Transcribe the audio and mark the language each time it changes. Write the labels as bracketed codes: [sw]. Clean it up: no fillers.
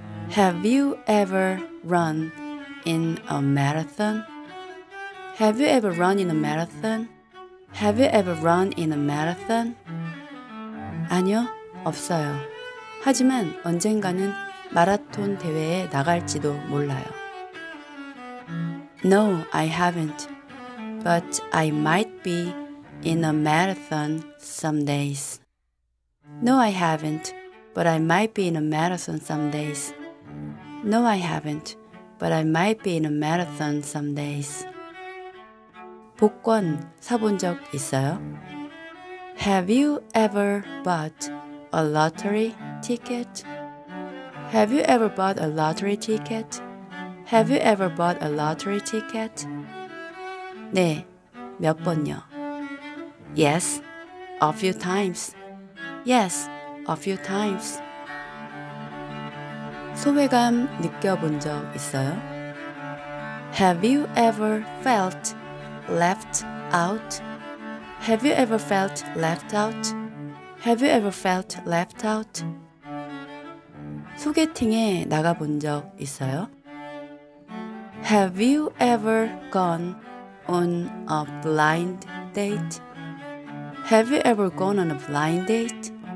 [en] Have you ever run in a marathon? Have you ever run in a marathon? Have you ever run in a marathon? [ko] 아니요, 없어요. 하지만 언젠가는 마라톤 대회에 나갈지도 몰라요. [en] No, I haven't. But I might be in a marathon some days. No, I haven't. But I might be in a marathon some days. No, I haven't. But I might be in a marathon some days. [ko] 복권 사본 적 있어요? [en] Have you ever bought a lottery ticket? Have you ever bought a lottery ticket? Have you ever bought a lottery ticket? [ko] 네, 몇 번요? [en] Yes, a few times. Yes, a few times. [ko] 소외감 느껴본 적 있어요? [en] Have you ever felt left out? Have you ever felt left out? Have you ever felt left out? [ko] 소개팅에 나가본 적 있어요? [en] Have you ever gone on a blind date? Have you ever gone on a blind date?